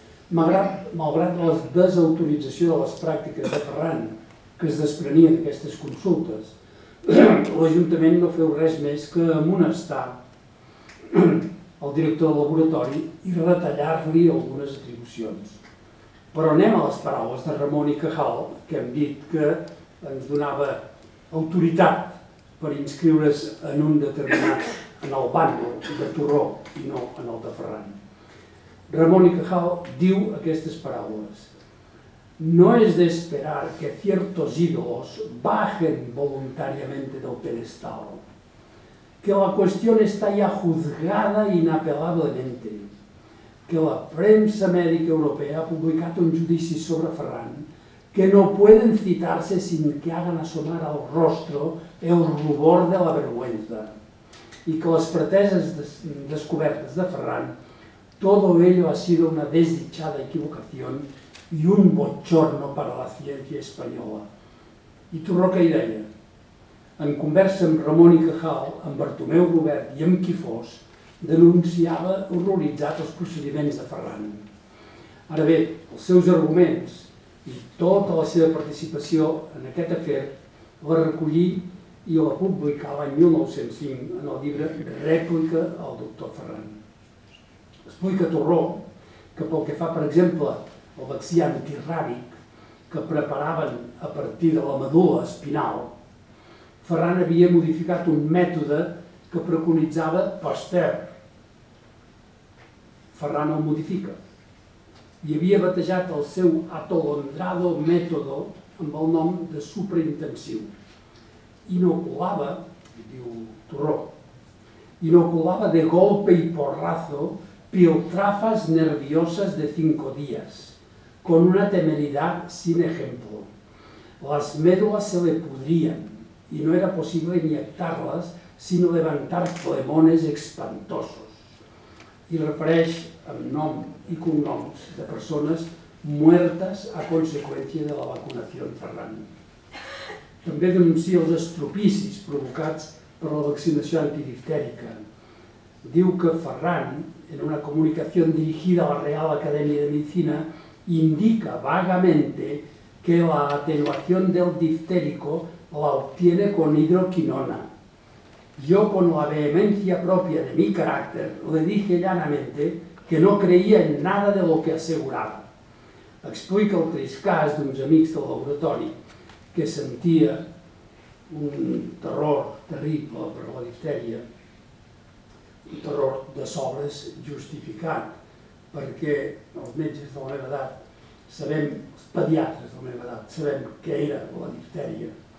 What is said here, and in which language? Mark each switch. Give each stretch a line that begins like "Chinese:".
Catalan: Malgrat la desautorització de les pràctiques de Ferran que es desprenia d'aquestes consultes, l'Ajuntament no feu res més que amonestar el director del laboratori i retallar-li algunes atribucions. Però anem a les paraules de Ramon i Cajal, que hem dit que ens donava autoritat per inscriure's en un determinat, en el bàndol de Turró i no en el de Ferran.
Spanish: Ramon y Cajal
Catalan: diu aquestes paraules:
Spanish: no es de esperar que ciertos ídolos bajen voluntariamente del pedestal, que la cuestión está ya juzgada inapelablemente, que la prensa médica europea ha publicado un judici sobre Ferran que no pueden citarse sin que hagan asomar al rostro el rubor de la vergüenza, y que las preteses descubiertas de Ferran, todo ello ha sido una desdichada equivocación y un bochorno para la ciencia española.
Catalan: I Turró que hi deia: en conversa amb Ramon i Cajal, amb Bartomeu Robert i amb qui fos, denunciava horroritzat els procediments de Ferran. Ara bé, els seus arguments i tota la seva participació en aquest afer la recollí i la publicà l'any 1905 en el llibre Rèplica al doctor Ferran. Explica Turró que pel que fa, per exemple, al vaccí antirràbic que preparaven a partir de la medul·la espinal, Ferran havia modificat un mètode que preconitzava Pasteur. Ferran el modifica i havia batejat el seu atolondrado mètode amb el nom de superintensiu. Inoculava, diu Turró, inoculava
Spanish: de golpe y porrazo piltrafas nerviosas de 5 días, con una temeridad sin ejemplo. Las médulas se le pudrían y no era posible inyectarlas sino levantar flemones espantosos.
Catalan: Y refereix amb nom i cognoms de persones muertes a conseqüència de la vacunación Ferran. També denuncia els estropicis provocats per la vaccinació antidiftèrica. Diu que
Spanish: Ferran, en una comunicación dirigida a la Real Academia de Medicina, indica vagamente que la atenuación del diftérico la obtiene con hidroquinona. Yo, con la vehemencia propia de mi carácter, le dije llanamente que no creía en nada de lo que aseguraba.
Catalan: Explica el trist cas d'uns amics del laboratori que sentia un terror terrible per la diftèria, un terror de sobres justificat, perquè els metges de la meva edat sabem, els pediatres de la meva edat, sabem què era la diftèria.